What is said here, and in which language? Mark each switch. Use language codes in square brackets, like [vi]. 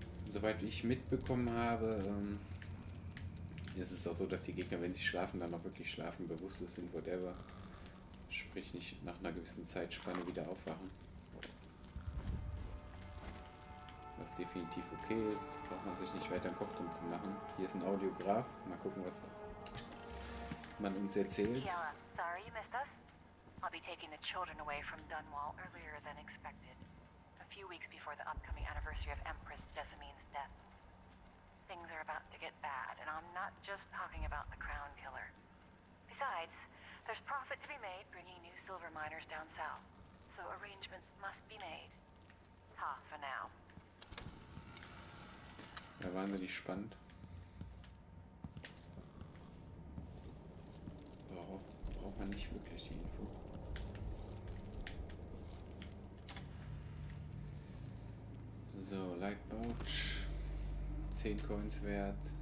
[de] Soweit ich mitbekommen habe, ist es auch so, dass die Gegner, wenn sie schlafen, dann auch wirklich schlafen, bewusstlos sind, whatever. Sprich, nicht nach einer gewissen Zeitspanne wieder aufwachen. Was definitiv okay ist, braucht man sich nicht weiter den Kopf drum zu machen. Hier ist ein Audiograf, mal gucken, was man uns erzählt. [en] Sorry, you missed us. I'll be taking the children away from Dunwall earlier than expected. A few weeks before the upcoming anniversary of Empress Jessamine's death. Things are about to get bad, and I'm not just talking about the Crown Killer. Besides, there's profit to be made bringing new silver miners down south. So arrangements must be made. Ta for now. [de] Ja, wahnsinnig spannend. Braucht man nicht wirklich die Info. So, Lightbouch. 10 Coins wert.